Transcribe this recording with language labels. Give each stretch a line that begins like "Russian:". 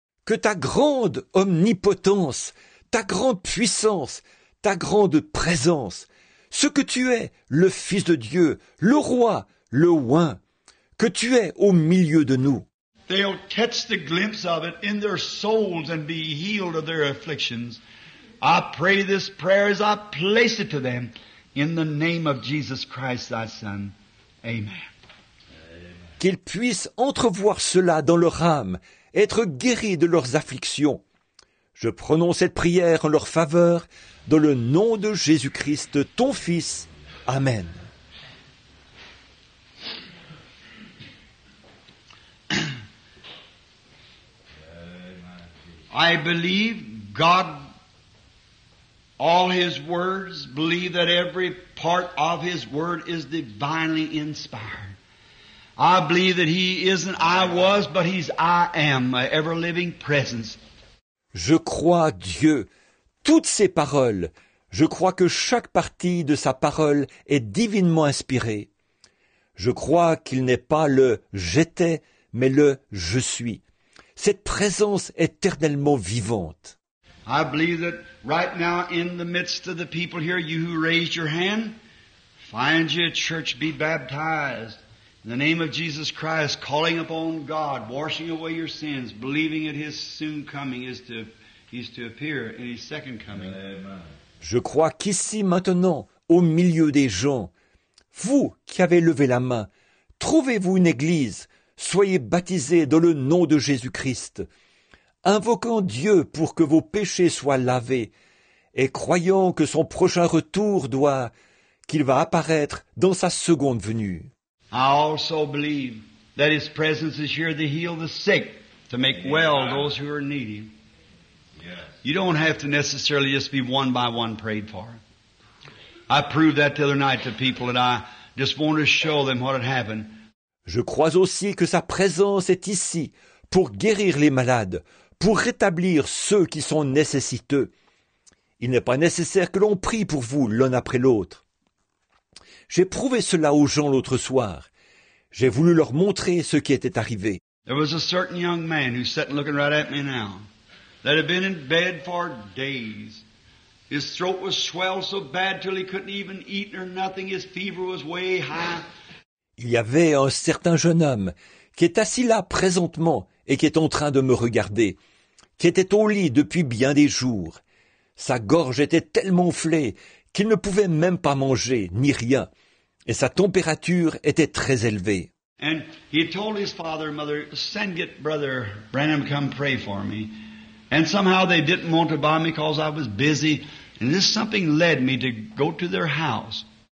French: Que ta grande omnipotence, ta grande puissance, ta grande présence, ce que tu es, le Fils de Dieu, le Roi, le Oint, que tu es au milieu de nous.
English: They'll catch the glimpse of it in their souls and be healed of their afflictions. I pray this prayer as I place it to them in the name of Jesus Christ, thy Son. Amen.
French: Qu'ils puissent entrevoir cela dans leur âme, être guéris de leurs afflictions. Je prononce cette prière en leur faveur, dans le nom de Jésus-Christ, ton Fils. Amen.
English: I believe God, all His words, believe that every part of His word is divinely inspired. I believe that He isn't I was, but He's I am, an ever-living presence.
French: Je crois Dieu, toutes ses paroles, je crois que chaque partie de sa parole est divinement inspirée. Je crois qu'il n'est pas le « j'étais », mais le « je suis ». Cette présence éternellement vivante.
English: I believe that right now in the midst of the people here, you who raised your hand, find your church, be baptized. In the name of Jesus Christ, calling upon God, washing away your sins, believing in His soon coming is to appear in His second coming. Amen.
French: Je crois qu'ici maintenant, au milieu des gens, vous qui avez levé la main, trouvez-vous une église, soyez baptisés dans le nom de Jésus-Christ, invoquant Dieu pour que vos péchés soient lavés et croyant que son prochain retour qu'il va apparaître dans sa seconde venue.
English: I also believe that His presence is here to heal the sick, to make well those who are needy. Yes. You don't have to necessarily just be one by one prayed for. I proved that the other night to people, and I just wanted to show them what had happened.
French: Je crois aussi que sa présence est ici pour guérir les malades, pour rétablir ceux qui sont nécessiteux. Il n'est pas nécessaire que l'on prie pour vous l'un après l'autre. J'ai prouvé cela aux gens l'autre soir. J'ai voulu leur montrer ce qui était arrivé.
English: There was a certain young man who sat looking right at me now that had been in bed for days. His throat was swelled so bad till he couldn't even eat or nothing. His fever was way high.
French: Il y avait un certain jeune homme qui est assis là présentement et qui est en train de me regarder, qui était au lit depuis bien des jours. Sa gorge était tellement enflée qu'il ne pouvait même pas manger, ni rien, et sa température était très élevée.
English: And he told his father and mother, send get brother Branham come pray for me. And somehow they didn't want to buy me because I was busy. And this something led me to go to their house.